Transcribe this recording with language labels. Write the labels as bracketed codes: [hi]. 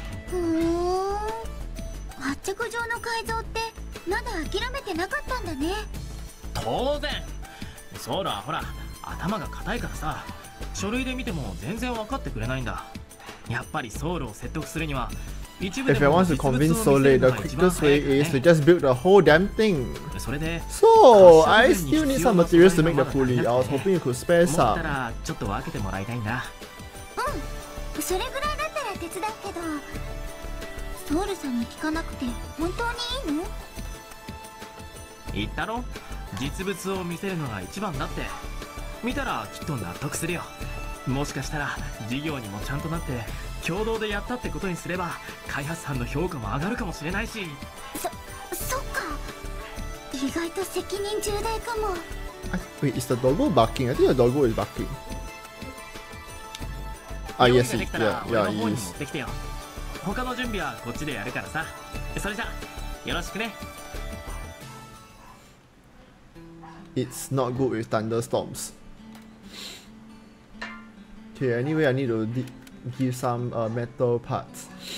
[ja] ふーん、発着場の改造ってまだ諦めてなかったんだね。当然、ソーラーほら頭が固いからさ、書類で見ても全然分かってくれないんだ。やっぱりソウルを説得するには一部でも実物を見せるのが一番早いよね。 [en] If I want to convince Soleil, the quickest way is to just build the whole damn thing. [ja] それで、 [en] So, I still need some materials to make the pulley. I was hoping you could spare some. [ja] 持ったらちょっと分けてもらいたいんだ。うん、それぐらいだったら手伝うけど、ソウルさんに聞かなくて本当にいいの？言ったろ、実物を見せるのが一番だって。見たらきっと納得するよ。もしかしたら事業にもちゃんとなって共同でやったってことにすれば、開発班の評価も上がるかもしれないし。そっか、意外と責任重大かも。 [en] Wait, is the doggo barking? I think the doggo is barking. Ah, yes, yeah, he is. [ja] 他の準備はこっちでやるからさ。それじゃよろしくね。 [en] It's not good with thunderstormsOkay, anyway, I need to give some metal parts.